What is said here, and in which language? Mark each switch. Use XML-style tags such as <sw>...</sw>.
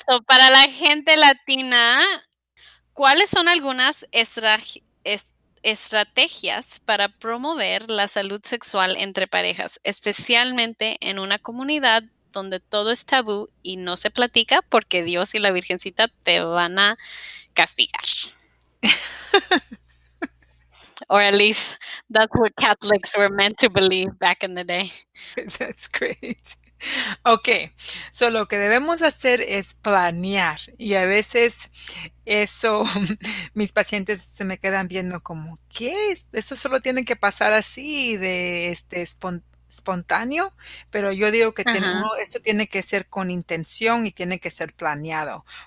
<es>So para la gente latina, ¿cuáles son algunas estrategias para promover la salud sexual entre parejas, especialmente en una comunidad donde todo es tabú y no se platica porque Dios y la Virgencita te van a castigar?</es> <en>Or at least that's what Catholics were meant to believe back in the day. That's great. Okay, so</en> <es>lo que debemos hacer es planear. Y a veces eso, mis pacientes se me quedan viendo como, ¿qué? Eso solo tiene que pasar así, de espontáneo. Pero yo digo que esto tiene que ser con intención y tiene que ser planeado.</es>